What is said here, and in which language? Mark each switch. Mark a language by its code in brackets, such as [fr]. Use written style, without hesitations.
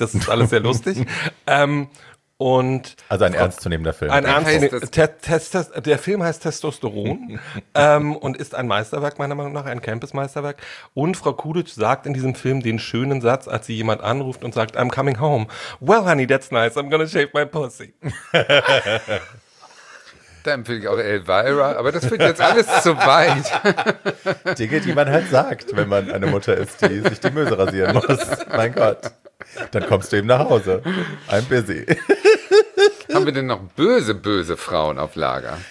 [de] Das ist alles sehr lustig. Und also ein ernstzunehmender Film. Der Film heißt Testosteron und ist ein Meisterwerk, meiner Meinung nach, ein Campus-Meisterwerk. Und Frau Kuditsch sagt in diesem Film den schönen Satz, als sie jemand anruft und sagt, [en] I'm coming home. Well, honey, that's nice. I'm gonna shave my pussy. [de] Da empfehle ich auch Elvira, aber das führt jetzt alles zu weit. Dinge, die man halt sagt, wenn man eine Mutter ist, die sich die Möse rasieren muss. Mein Gott. Dann kommst du eben nach Hause. [en] I'm busy. [de] Haben wir denn noch böse, böse Frauen auf Lager?